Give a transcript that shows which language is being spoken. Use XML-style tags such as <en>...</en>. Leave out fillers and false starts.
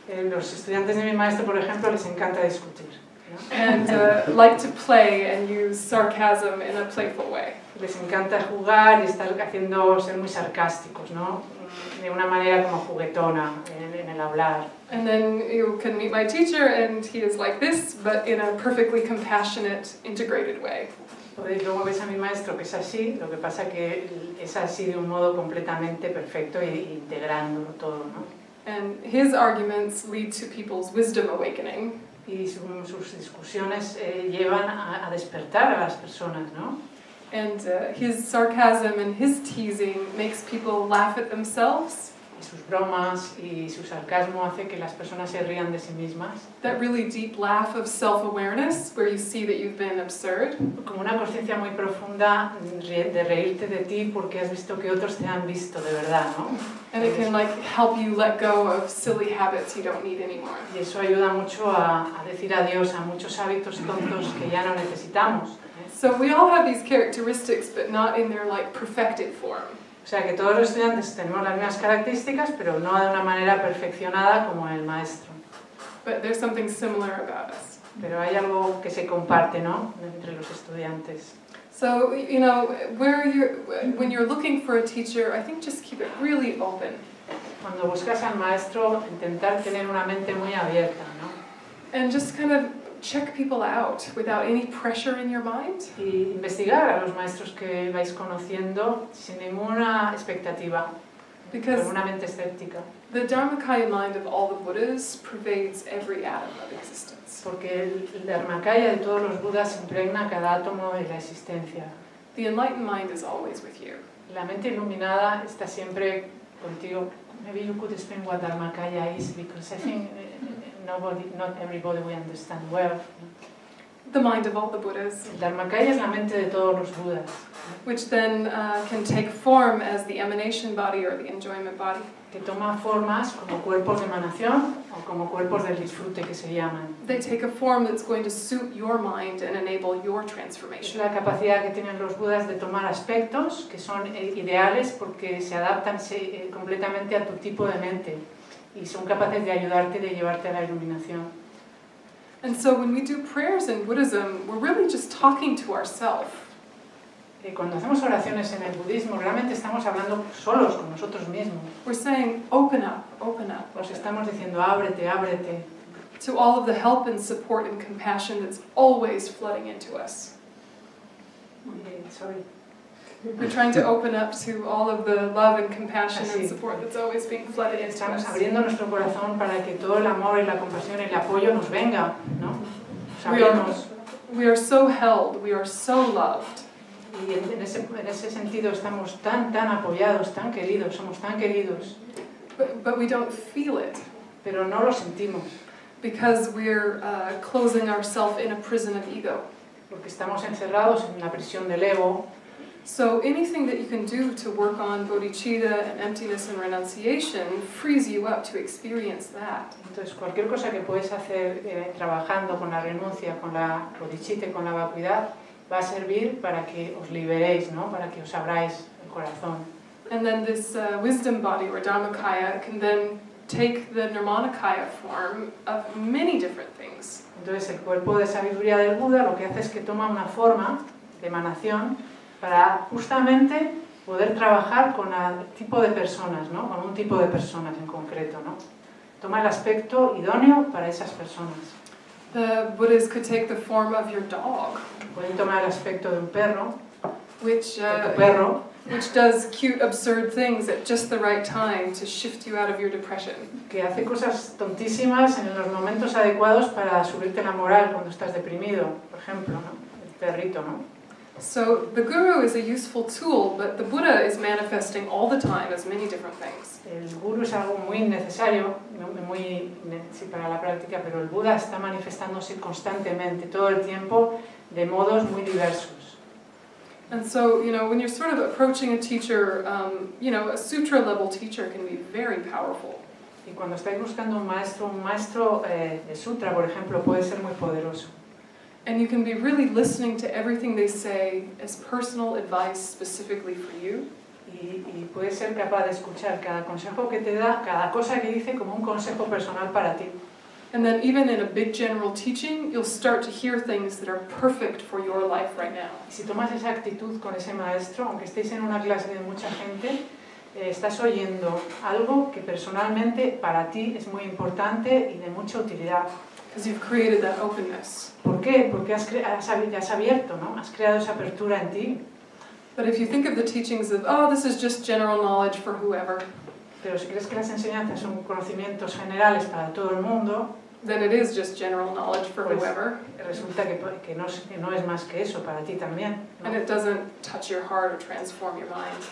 <es>Los estudiantes de mi maestro, por ejemplo, les encanta discutir.</es> <en>And like to play and use sarcasm in a playful way.</en> <es>Les encanta jugar y estar haciendo ser muy sarcásticos, ¿no? De una manera como juguetona en el hablar.</es> <en>And then you can meet my teacher and he is like this, but in a perfectly compassionate, integrated way.</en> <es>Podéis luego ver a mi maestro que es así, lo que pasa que es así de un modo completamente perfecto e integrando todo, ¿no?</es> <en>And his arguments lead to people's wisdom awakening.</en> <es>Y sus discusiones llevan a despertar a las personas, ¿no?</es> <en>And his sarcasm and his teasing makes people laugh at themselves.</en> <es>Y sus bromas y su sarcasmo hace que las personas se rían de sí mismas.</es> <en>That really deep laugh of self-awareness, where you see that you've been absurd.</en> <es>Como una conciencia muy profunda de reírte de ti porque has visto que otros te han visto de verdad, ¿no?</es> <en>And it can like help you let go of silly habits you don't need anymore.</en> <es>Y eso ayuda mucho a decir adiós a muchos hábitos tontos que ya no necesitamos.</es> <en>So we all have these characteristics, but not in their like perfected form.</en> <es>O sea, que todos los estudiantes tenemos las mismas características, pero no de una manera perfeccionada como el maestro.</es> <en>But there's something similar about us.</en> <es>Pero hay algo que se comparte, ¿no?, entre los estudiantes.</es> <en>So, you know, when you're looking for a teacher, I think just keep it really open.</en> <es>Cuando buscas al maestro, intentar tener una mente muy abierta, ¿no?</es> <en>And just kind of check people out without any pressure in your mind.</en> <es>Y investigar a los maestros que vais conociendo sin ninguna expectativa,</es> <en>because</en> <es>con una mente escéptica.</es> <en>The Dharmakaya mind of all the Buddhas pervades every atom of existence.</en> <es>Porque el Dharmakaya de todos los Budas impregna cada átomo de la existencia.</es> <en>The enlightened mind is always with you.</en> <es>La mente iluminada está siempre contigo.</es> <en>Maybe you could explain what Dharmakaya is, because I think nobody, not everybody we understand well. The mind of all the Buddhas.</en> <es>El Dharmakaya es la mente de todos los Budas.</es> <en>Which then can take form as the emanation body or the enjoyment body.</en> <es>Que toma formas como cuerpos de emanación o como cuerpos del disfrute que se llaman.</es> <en>They take a form that's going to suit your mind and enable your transformation.</en> <es>Es la capacidad que tienen los Budas de tomar aspectos que son ideales porque se adaptan completamente a tu tipo de mente. Y son capaces de ayudarte y de llevarte a la iluminación.</es> <en>And so when we do prayers in Buddhism, we're really just talking to ourselves.</en> <es>Cuando hacemos oraciones en el budismo, realmente estamos hablando solos con nosotros mismos.</es> <en>We're saying, open up, open up.</en> <es>Pues estamos diciendo, ábrete, ábrete.</es> <en>To all of the help and support and compassion that's always flooding into us. Okay, sorry. We're trying to open up to all of the love and compassion and support that's always being flooded into us.</en> <es>Estamos abriendo nuestro corazón para que todo el amor y la compasión y el apoyo nos venga, ¿no?</es> <en>We are so held, we are so loved.</en> <es>Y en ese sentido estamos tan apoyados, tan queridos, somos tan queridos.</es> <en>But we don't feel it.</en> <es>Pero no lo sentimos.</es> <en>Because we're closing ourselves in a prison of ego.</en> <es>Porque estamos encerrados en una prisión del ego.</es> <en>So anything that you can do to work on bodhicitta and emptiness and renunciation frees you up to experience that.</en> <es>Entonces cualquier cosa que puedes hacer trabajando con la renuncia, con la bodhicitta, con la vacuidad, va a servir para que os liberéis, ¿no? Para que os abráis el corazón.</es> <en>And then this wisdom body or dharmakaya can then take the nirmanakaya form of many different things.</en> <es>Entonces el cuerpo de sabiduría del Buda lo que hace es que toma una forma de emanación para justamente poder trabajar con un tipo de personas, ¿no? Con un tipo de personas en concreto, ¿no? Toma el aspecto idóneo para esas personas.</es> <en>The Buddhas could take the form of your dog.</en> <es>Pueden tomar el aspecto de un perro.</es> <en>Which</en> <es>de tu perro.</es> <en>which does cute, absurd things at just the right time to shift you out of your depression.</en> <es>Que hace cosas tontísimas en los momentos adecuados para subirte la moral cuando estás deprimido, por ejemplo, ¿no? El perrito, ¿no?</es> <en>So the guru is a useful tool, but the Buddha is manifesting all the time as many different things.</en> <es>El guru es algo muy necesario, muy necesario para la práctica, pero el Buda está manifestándose constantemente, todo el tiempo, de modos muy diversos.</es> <en>And so, you know, when you're sort of approaching a teacher, you know, a sutra level teacher can be very powerful.</en> <es>Y cuando estáis buscando un maestro de sutra, por ejemplo, puede ser muy poderoso.</es> <en>And you can be really listening to everything they say as personal advice specifically for you.</en> <es>Y puedes ser capaz de escuchar cada consejo que te da, cada cosa que dice como un consejo personal para ti.</es> <en>And then even in a big general teaching, you'll start to hear things that are perfect for your life right now.</en> <es>Y si tomas esa actitud con ese maestro, aunque estéis en una clase de mucha gente, estás oyendo algo que personalmente para ti es muy importante y de mucha utilidad.</es> <en>Because you've created that openness.</en> <es>¿Por qué? Porque has abierto, ¿no? Has creado esa apertura en ti.</es> <en>But if you think of the teachings of, oh, this is just general knowledge for whoever.</en> <es>Pero si crees que las enseñanzas son conocimientos generales para todo el mundo,</es> <en>then it is just general knowledge for whoever.</en> <es>Resulta que no es más que eso para ti también.</es> <en>And it doesn't touch your heart or transform your mind.</en>